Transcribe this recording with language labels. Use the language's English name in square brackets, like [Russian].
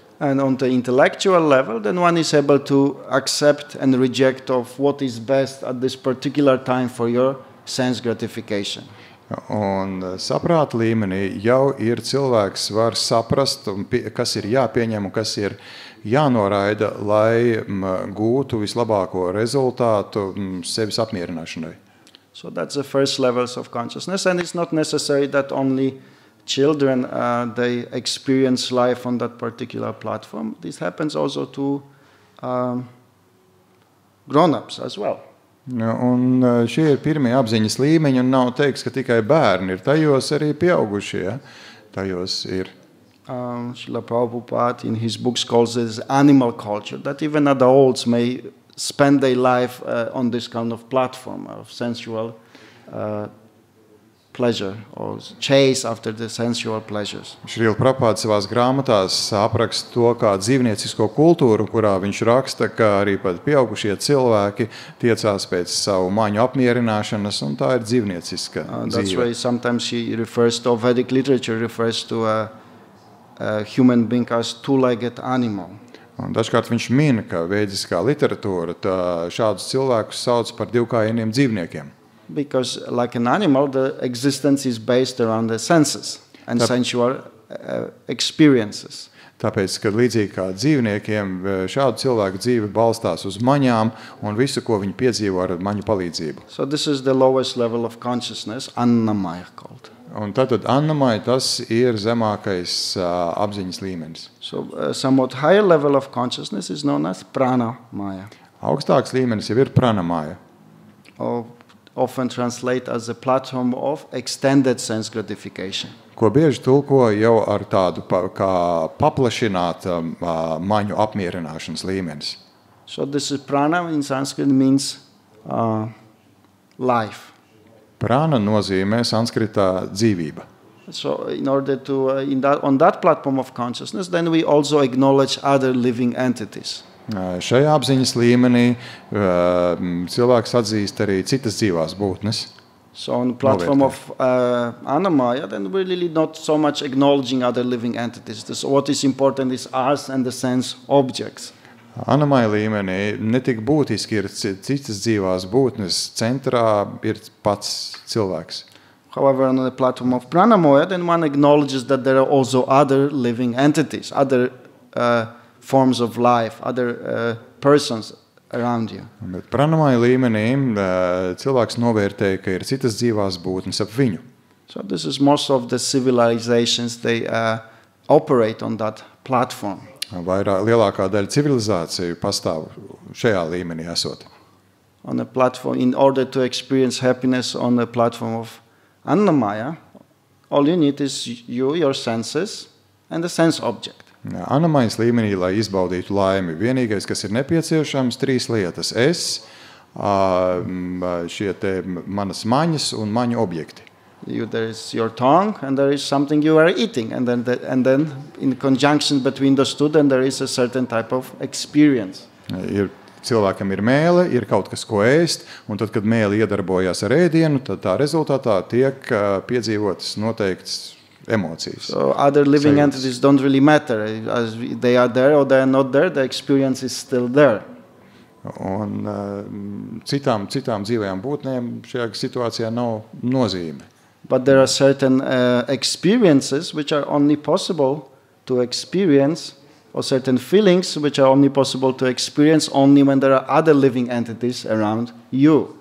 [English] And on the intellectual level, then one is able to accept and reject of what is best at this particular time for your sense gratification. [Latvian] Un saprāta līmenī jau ir cilvēks var saprast, kas ir jāpieņem un kas ir jānoraida, lai gūtu vislabāko rezultātu sevis apmierināšanai. [English] So that's the first levels of consciousness, and it's not necessary that only children they experience life on that particular platform. This happens also to grown-ups as well. [Latvian] Un šie ir pirmie apziņas līmeņi, un nav teiks, ka tikai bērni ir tajos arī pieaugušie, tajos ir. [English] Srila Prabhupada in his books calls this animal culture, that even adults may spend their life on this kind of platform of sensual pleasure or chase after the sensual pleasures. [Latvian] Srila Prabhupada savās grāmatās apraksta to, kā dzīvniecisko kultūru, kurā viņš raksta, ka arī pat pieaugušie cilvēki tiecās pēc savu maņu apmierināšanas, un tā ir dzīvnieciska dzīve. [English] That's why sometimes he refers to Vedic literature, refers to a human being as two-legged animal. [Latvian] Un dažkārt viņš min, ka vēdiskā literatūra šādus cilvēkus sauc par divkājiem dzīvniekiem. [English] Because like an animal, the existence is based around the senses and sensual experiences. [Latvian] Tāpēc, ka līdzīgi kā dzīvniekiem, šādu cilvēku dzīve balstās uz maņām un visu, ko viņi piedzīvo ar maņu palīdzību. [English] So this is the lowest level of consciousness, annamaya called. [Latvian] Un tātad annamaya, tas ir zemākais apziņas līmenis. [English] So somewhat higher level of consciousness is known as pranamaya. [Latvian] Augstāks līmenis jau ir pranamaya. [English] Often translate as a platform of extended sense gratification. [Latvian] Ko bieži tulko jau ar tādu kā paplašināt maņu apmierināšanas līmenis. [English] So this is prana in Sanskrit means life. [Latvian] Prana nozīmē sanskritā dzīvība. [English] So in order to on that platform of consciousness then we also acknowledge other living entities. [Latvian] Šajā apziņas līmenī cilvēks atzīst arī citas dzīvās būtnes. [English] So on platform of anamaya, then we're really not so much acknowledging other living entities. This, what is important is us and the sense objects. [Latvian] Anamaya līmenī netik būtiski ir citas dzīvās būtnes, centrā ir pats cilvēks. [English] However, on the platform of pranamaya, then one acknowledges that there are also other living entities, other forms of life, other persons. Around you. [Latvian] Bet pranamaya līmenī cilvēks novērtē, ka ir citas dzīvās būtnes ap viņu. [English] So this is most of the civilizations they operate on that platform. [Latvian] Vairāk lielākā daļa civilizāciju pastāv šajā līmenī esot. [English] On a platform in order to experience happiness on the platform of annamaya, all you need is you, your senses and the sense object. [Latvian] Anamajas līmenī, lai izbaudītu laimi, vienīgais, kas ir nepieciešams, trīs lietas. Es, šie te manas maņas un maņu objekti. [English] You, there is your tongue and there is something you are eating. And then, in conjunction between those two, then there is a certain type of experience. [Latvian] Ir, cilvēkam ir mēle, ir kaut kas, ko ēst, un tad, kad mēle iedarbojas ar ēdienu, tad tā rezultātā tiek piedzīvotas noteikts emocijas. [English] So other living entities don't really matter as they are there or they are not there, the experience is still there. [Latvian] Un citām dzīvajām būtnēm šajā situācijā nav nozīme. [English] But there are certain experiences which are only possible to experience or certain feelings which are only possible to experience only when there are other living entities around you.